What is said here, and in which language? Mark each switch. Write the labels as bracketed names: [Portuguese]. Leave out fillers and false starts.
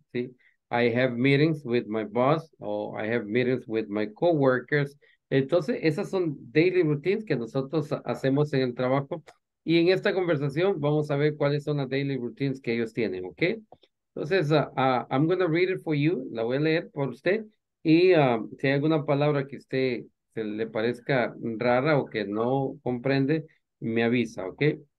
[English] See, I have meetings with my boss or I have meetings with my coworkers. [Spanish] Entonces, esas son daily routines que nosotros hacemos en el trabajo. Y en esta conversación vamos a ver cuáles son las daily routines que ellos tienen, ¿ok? [English] Entonces, I'm going to read it for you. [Spanish] La voy a leer por usted. Y si hay alguna palabra que usted se le parezca rara o que no comprende, me avisa, ¿ok?